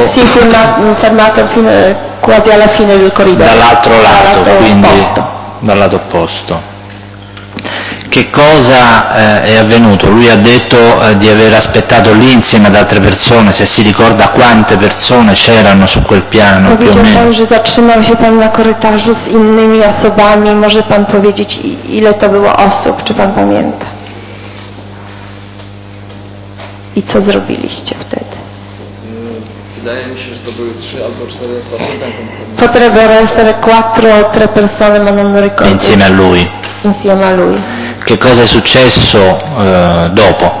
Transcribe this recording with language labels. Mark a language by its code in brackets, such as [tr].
[it] Si è fermato quasi alla fine del corridoio. Dall'altro lato, dal lato opposto. Che cosa è avvenuto? Lui ha detto di aver aspettato lì insieme ad altre persone, se si ricorda quante persone c'erano su quel piano. [pl] Powiedział [it] più o meno. [pl] Pan, że zatrzymał się pan na korytarzu z innymi osobami. Może pan powiedzieć, ile to było osób, czy pan pamięta? I co zrobiliście wtedy? Wydaje mi się, że to były trzy albo cztery osoby. [it] Potrebbero essere quattro o tre persone, ma non ricordo. Insieme a lui. Che cosa è successo dopo?